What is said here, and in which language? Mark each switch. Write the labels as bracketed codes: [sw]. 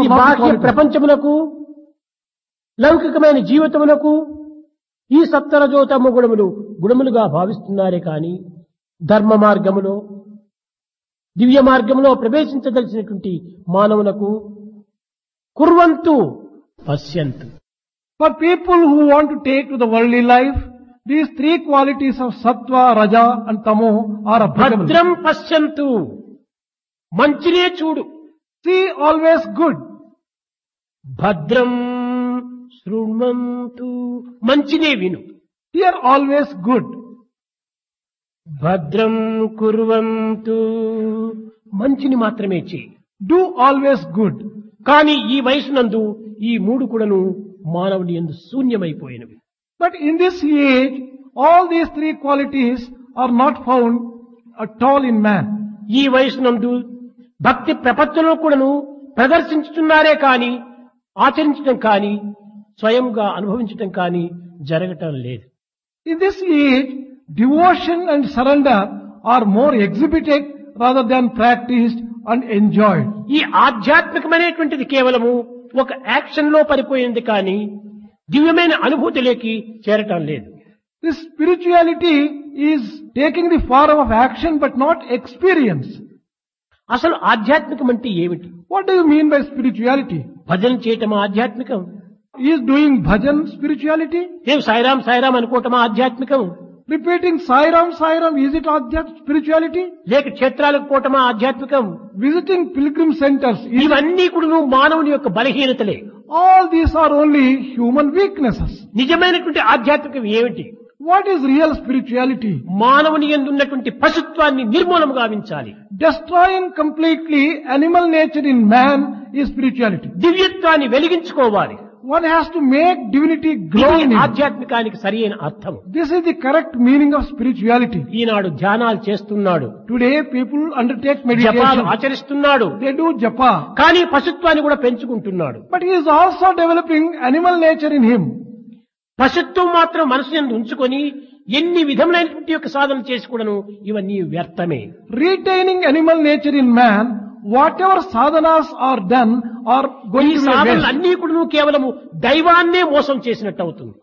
[te] బాహ్య ప్రపంచమునకు, లౌకికమైన జీవితమునకు ఈ సత్వరజో తమో గుణములు గుణములుగా భావిస్తున్నారే కాని, ధర్మ మార్గములో, దివ్య మార్గంలో ప్రవేశించదలిచినటువంటి మానవులకు, [sa] కుర్వంతు పశ్యంతు. [en] For people who want to take to the worldly life, these three qualities of sattva, raja and tamo are applicable. [sa] Bhadram pasyantu, [te] manchine chudu, [en] see always good. [sa] Bhadram shrunvantu, [te] manchine vinu, [en] hear always good. [sa] Bhadram kurvantu, [te] manchini matrame chey, [en] do always good. [te] Kani ee vayasunandu ee moodu kudanu మానవుడి ఎందు శూన్యమైపోయినవి. [en] But in this age all these three qualities are not found at all in man. [te] ఈ వయసు నందు భక్తి ప్రపత్తులు కూడాను ప్రదర్శించుతున్నారే కాని, ఆచరించడం కాని, స్వయంగా అనుభవించటం కానీ జరగటం లేదు. [en] In this age devotion and surrender are more exhibited rather than practised and enjoyed. [te] ఈ ఆధ్యాత్మికమైనటువంటిది కేవలము ఒక యాక్షన్ లో పడిపోయింది కానీ దివ్యమైన అనుభూతిలోకి చేరటం లేదు. [en] This spirituality is taking the form of action but not experience. [te] అసలు ఆధ్యాత్మికం అంటే ఏమిటి? [en] What do you mean by spirituality? [te] భజన చేయటం ఆధ్యాత్మికం? [en] Is doing bhajan spirituality? [te] ఏం సాయిరాం సాయిరాం అనుకోవటం ఆధ్యాత్మికం? [en] Repeating Sairam Sairam, is it spirituality? [te] లేక క్షేత్రాలకు పోవటం ఆధ్యాత్మికం? [en] Visiting pilgrim centers, [te] ఇవన్నీ కూడా మానవుని యొక్క బలహీనతలే. [en] All these are only human weaknesses. [te] నిజమైనటువంటి ఆధ్యాత్మికం ఏమిటి? [en] What is real spirituality? [te] మానవుని యందున్నటువంటి పశుత్వాన్ని నిర్మూలం గావించాలి. [en] Destroying completely animal nature in man is spirituality. [te] దివ్యత్వాన్ని వెలిగించుకోవాలి. [en] One has to make divinity grow in him. [te] ఆధ్యాత్మికానికి సరైన అర్థం. [en] This is the correct meaning of spirituality. [te] ఈనాడు ధ్యానాలు చేస్తున్నాడు. Today people undertake meditation. జపాలు ఆచరిస్తున్నాడు. [en] They do japa. [te] కానీ పశుత్వాన్ని కూడా పెంచుకుంటున్నాడు. [en] But he is also developing animal nature in him. [te] పశుత్వం మాత్రం మనసు యందు ఉంచుకొని ఎన్ని విధములైనటువంటి యొక్క సాధన చేసి కూడాను ఇవన్నీ వ్యర్థమే. [en] Retaining animal nature in man, whatever sadhanas are done are going to waste. [te] సాధనలు అన్ని కూడాను కేవలం దైవాన్నే మోసం చేసినట్టు అవుతుంది.